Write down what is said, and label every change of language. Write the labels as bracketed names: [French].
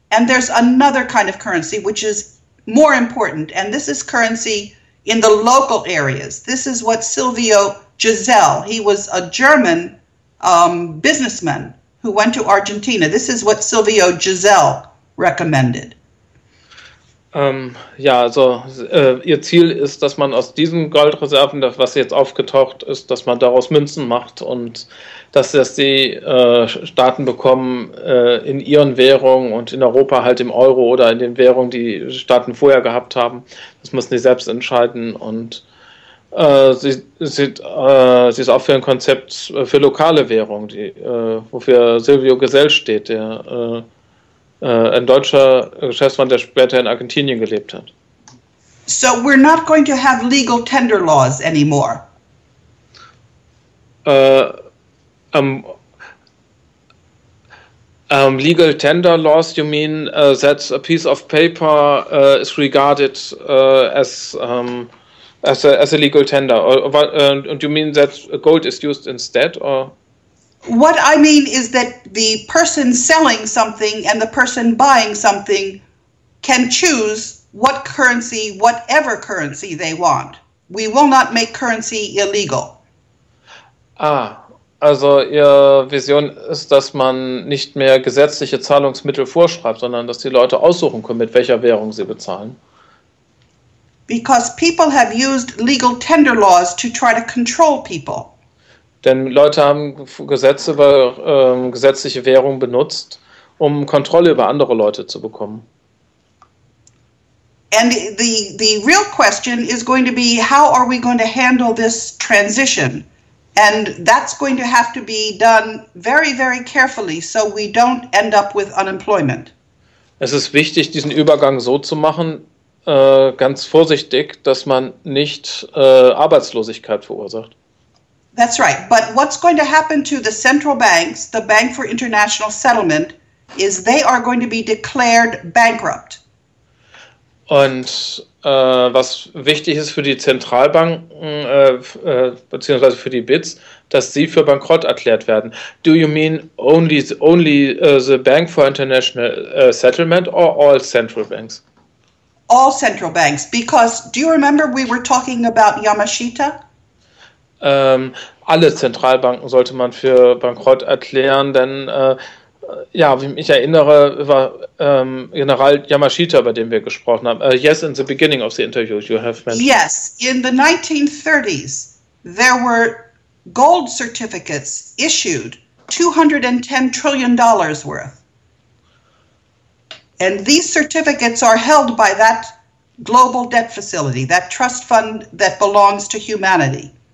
[English] And there's another kind of currency which is more important. And this is currency in the local areas. This is what Silvio Gisell, he was a German businessman who went to Argentina. This is what Silvio Gisell recommended. [German] Ihr Ziel ist, dass man aus diesen Goldreserven, das, was jetzt aufgetaucht ist, dass man daraus Münzen macht und dass das die Staaten bekommen in ihren Währungen und in Europa halt im Euro oder in den Währungen, die Staaten vorher gehabt haben. Das müssen sie selbst entscheiden und sie ist auch für ein Konzept für lokale Währung, wofür Silvio Gisell steht, der ein deutscher Geschäftsmann, der später in Argentinien gelebt hat. [English] So we're not going to have legal tender laws anymore. Legal tender laws, you mean that a piece of paper is regarded as as a legal tender, or do you mean that gold is used instead, or? What I mean is that the person selling something and the person buying something can choose what currency, whatever currency they want. We will not make currency illegal. [German] Ah, also Ihre Vision ist, dass man nicht mehr gesetzliche Zahlungsmittel vorschreibt, sondern dass die Leute aussuchen können, mit welcher Währung sie bezahlen. [English] Because people have used legal tender laws to try to control people. [German] Denn Leute haben Gesetze über gesetzliche Währung benutzt, um Kontrolle über andere Leute zu bekommen. [English] And the real question is going to be, how are we going to handle this transition? And that's going to have to be done very, very carefully, so we don't end up with unemployment. [German] Es ist wichtig, diesen Übergang so zu machen, ganz vorsichtig, dass man nicht Arbeitslosigkeit verursacht. [English] That's right. But what's going to happen to the central banks, the Bank for International Settlement, is they are going to be declared bankrupt. [German] Und was wichtig ist für die Zentralbanken, beziehungsweise für die BITs, dass sie für bankrott erklärt werden. [English] Do you mean only the Bank for International Settlement or all central banks? All central banks. Because do you remember we were talking about Yamashita? [German] Alle Zentralbanken sollte man für bankrott erklären, denn ja, wie ich erinnere, war General Yamashita, bei dem wir gesprochen haben. [English] Yes, in the beginning of the interview you have mentioned. Yes, in the 1930s there were gold certificates issued, $210 trillion worth. And these certificates are held by that global debt facility, that trust fund that belongs to humanity.